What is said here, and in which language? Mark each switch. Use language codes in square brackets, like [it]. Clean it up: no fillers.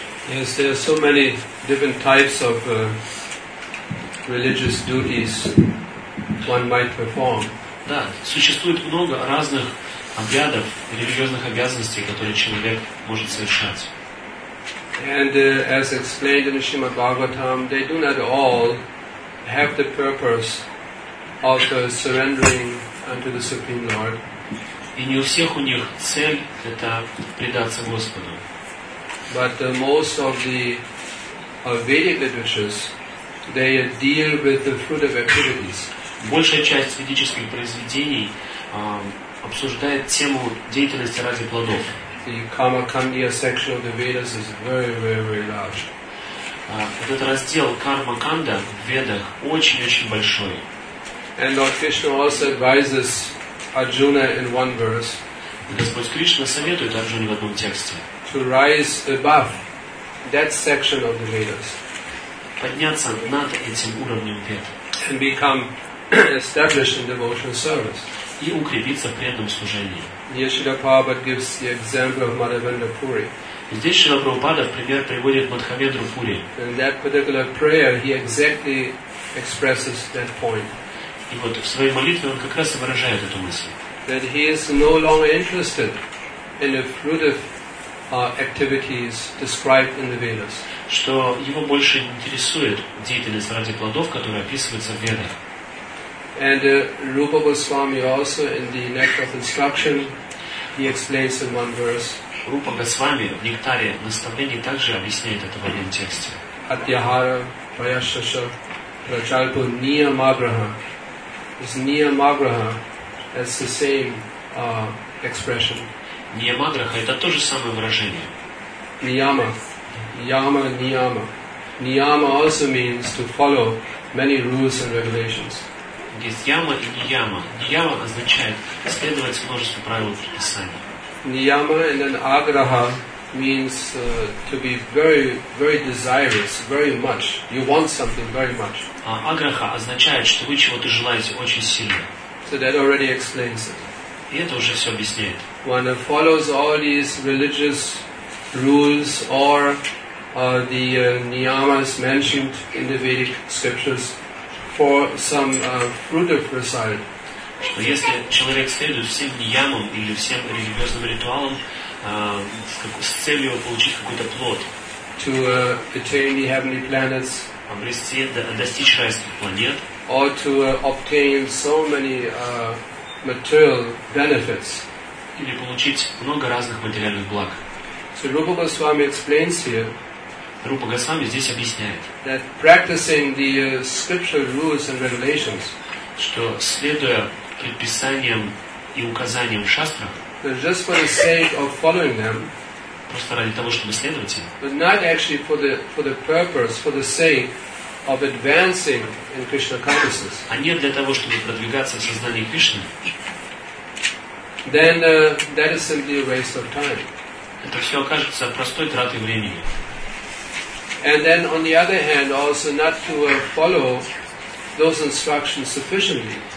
[en] Yes, there are so many different types of religious duties one might perform. [ru] Да, существует много разных обрядов, религиозных обязанностей, которые человек может совершать. [en] And as explained in Shrimad Bhagavatam, they do not all have the purpose of surrendering unto the Supreme Lord. [ru] И не у всех у них цель — это предаться Господу. [en] But most of the Vedic literatures, they deal with the fruit of activities. [ru] Большая часть ведических произведений обсуждает тему деятельности ради плодов. [en] The Karma-Kandiya section of the Vedas is very, very, very large. [ru] Этот раздел Карма-Канда в Ведах очень-очень большой. [en] And Lord Krishna also advises Arjuna in one verse. [ru] Господь Кришна советует Арджуне в одном тексте. [en] To rise above that section of the Vedas. [ru] Подняться над этим уровнем Вед. [en] And become established in devotional service. [ru] И укрепиться в преданном служении. [en] Here Srila Prabhupada gives the example of Madhavendra Puri. [ru] Здесь Шрила Прабхупада в пример приводит Мадхавендру Пури. [en] In that particular prayer, he exactly expresses that point. [ru] И вот в своей молитве он как раз и выражает эту мысль. [en] That he is no longer interested in the fruit of activities described in the Vedas. [ru] Что его больше интересует деятельность ради плодов, которая описывается в Ведах. [en] And Rupa Goswami also in the Nectar of Instruction, he explains in one verse. [ru] Rupa Goswami в Нектаре наставлений также объясняет это в одном тексте. [sa] Atyahara prayashasha prachalpo niyamagraha. [en] This niyamagraha is the same expression. [ru] Niyamagraha – это то же самое выражение. [sa] Niyama. Yama, niyama. [en] Niyama also means to follow many rules and regulations. [ru] Есть яма и нияма. Нияма означает следовать множеству правил предписания. [en] Нияма and then аграха means to be very, very desirous, very much. You want something very much. [ru] А аграха означает, что вы чего-то желаете очень сильно. [en] So that already explains it. [ru] И это уже все объясняет. [en] When it follows all these religious rules or the niyamas mentioned in the Vedic scriptures, for some fruit of result. [ru] Что если человек следует всем ниямам или всем религиозным ритуалам с целью получить какой-то плод, [en] to attain the heavenly planets, [ru] обрести, достичь райских планет, [en] or to obtain so many material benefits, [ru] или получить много разных материальных благ. [en] So Rupa Goswami explains here, [ru] Рупа Госвами здесь объясняет, [en] that practicing the scriptural rules and regulations, [ru] что следуя предписаниям и указаниям в шастрах, [en] just for the sake of following them, [ru] просто ради того, чтобы следовать им, [en] but not actually for the purpose, for the sake of advancing in Krishna consciousness, [ru] а не для того, чтобы продвигаться в сознании Кришны, [en] then that is simply a waste of time. [ru] Это все окажется простой тратой времени. [en] And then, on the other hand, also not to follow those instructions sufficiently.